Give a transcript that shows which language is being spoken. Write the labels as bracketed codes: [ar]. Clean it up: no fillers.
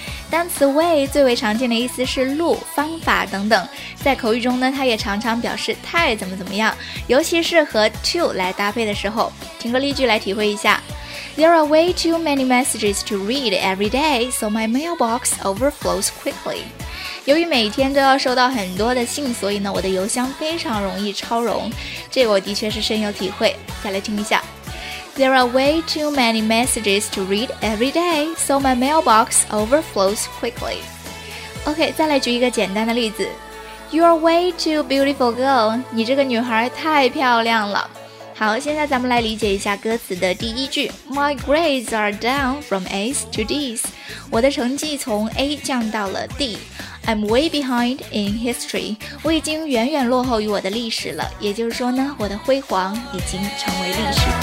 [zh] 单词 way 最为常见的意思是路、方法等等，在口语中呢，它也常常表示太怎么怎么样，尤其是和 to 来搭配的时候。听个例句来体会一下 [en] There are way too many messages to read every day, so my mailbox overflows quickly. [zh] 由于每天都要收到很多的信，所以呢我的邮箱非常容易超容，这个我的确是深有体会。再来听一下。 [en] There are way too many messages to read every day, so my mailbox overflows quickly. [zh] OK, 再来举一个简单的例子。 [en] You are way too beautiful girl, [zh] 你这个女孩太漂亮了。好，现在咱们来理解一下歌词的第一句。 [en] My grades are down from A's to D's. [zh] 我的成绩从 A 降到了 D. [en] I'm way behind in history. [zh] 我已经远远落后于我的历史了，也就是说呢，我的辉煌已经成为历史。